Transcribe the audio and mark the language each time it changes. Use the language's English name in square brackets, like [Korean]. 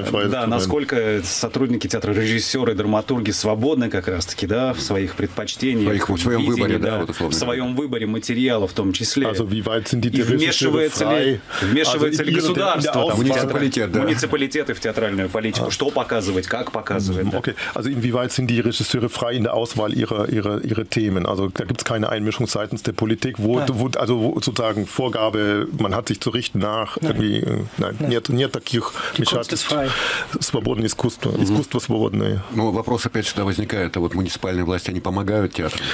[Russian] Да, насколько сотрудники театра, режиссеры, драматурги свободны как раз-таки, да, в своих предпочтениях, в своем выборе, да, в своем выборе материала в том числе. И вмешивается ли государство в муниципалитеты в театральную политику? Что показывать, как показывать? [German] Окей, also inwieweit sind die Regisseure frei in der Auswahl ihrer Themen? Also da gibt es keine Einmischung seitens der Politik, also sozusagen Vorgabe, man hat sich zu richten nach, irgendwie, [Russian] нет таких вмешательств. Свободное искусство, искусство свободное. Ну, вопрос опять же да, возникает, а вот муниципальные власти, они помогают театру?